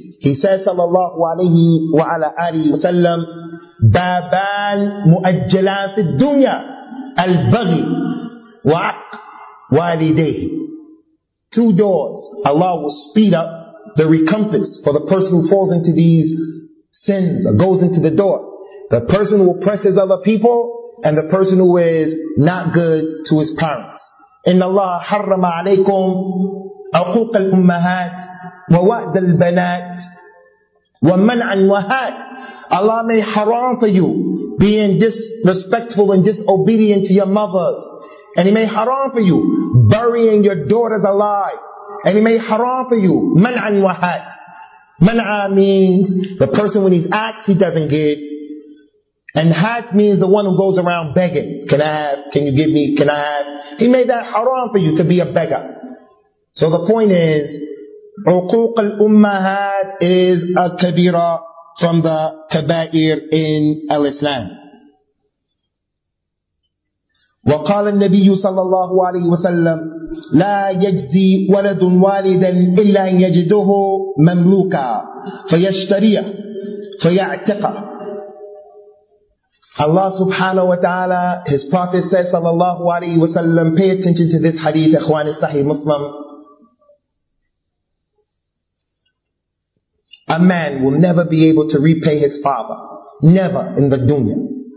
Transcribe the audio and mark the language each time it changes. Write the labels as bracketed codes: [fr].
[en] He says, sallallahu alayhi wa ala alihi wa sallam, [ar] بابان مؤجلان في الدنيا البغي وعق والديه. [en] Two doors. Allah will speed up the recompense for the person who falls into these sins or goes into the door. The person who oppresses other people and the person who is not good to his parents. [ar] إن الله حرم عليكم عقوق الأمهات ووأد البنات ومنع النهات. [en] Allah may haram for you being disrespectful and disobedient to your mothers. And He may haram for you burying your daughters alive. And He may haram for you man'a wa hat. Man'a means the person when he's asked, he doesn't give. And hat means the one who goes around begging. Can I have? Can you give me? Can I have? He made that haram for you to be a beggar. So the point is, [ar] عقوق الأمهات [en] is a kabira from the kaba'ir in al-Islam. [ar] وقال النبي صلى الله عليه وسلم لا يجزي ولد والدا إلا أن يجده مملوكا فيشتريه فيعتقه. [en] Allah subhanahu wa ta'ala, His Prophet said [ar] صلى الله عليه وسلم, [en] pay attention to this hadith, [ar] إخوان الصحيح مسلم. [en] A man will never be able to repay his father. Never in the dunya.